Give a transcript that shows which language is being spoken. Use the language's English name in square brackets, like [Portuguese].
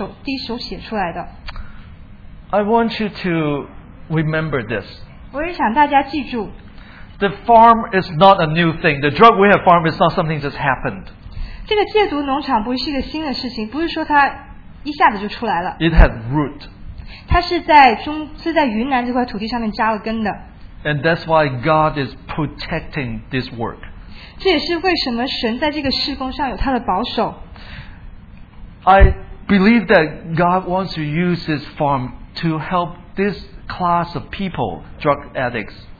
[Chinese] 如果我们有或者我们再去唱这首神你多伟大这首诗歌的时候，我想请大家记住，这首诗歌是瑞典人第一首写出来的。 [English] I want you to remember this. [Chinese] 我也想大家记住, [English] the farm is not a new thing. The drug we have farm is not something that just happened. [Chinese] 这个戒毒农场不是一个新的事情，不是说它一下子就出来了。 [English] It had root. [Chinese] 它是在云南这块土地上面扎了根的。 [English] And that's why God is protecting this work. [Chinese] 这也是为什么神在这个事工上有他的保守。 [English] I believe that God wants to use this farm to help this class of people, drug addicts.